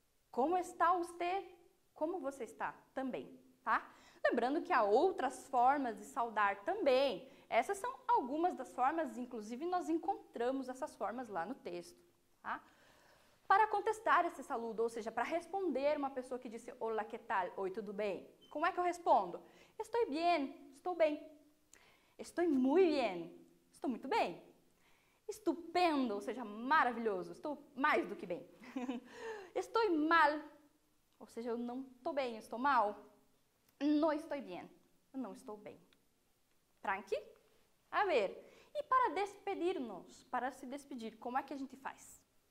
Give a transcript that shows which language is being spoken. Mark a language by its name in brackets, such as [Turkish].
[Portuguese] Como está você? Como você está? Também, tá? Lembrando que há outras formas de saudar também. Essas são algumas das formas, inclusive nós encontramos essas formas lá no texto, tá? Para contestar esse saludo, ou seja, para responder uma pessoa que disse olá, que tal? Oi, tudo bem? Como é que eu respondo? [Spanish] Estoy bien, [Portuguese] estou bem. [Spanish] Estoy muy bien, [Portuguese] estou muito bem. Estupendo, ou seja, maravilhoso. Estou mais do que bem. Estou mal, ou seja, eu não estou bem, estou mal. [Spanish] No estoy bien, [Portuguese] eu não estou bem. Tranqui? A ver, e para despedir-nos, para se despedir, como é que a gente faz?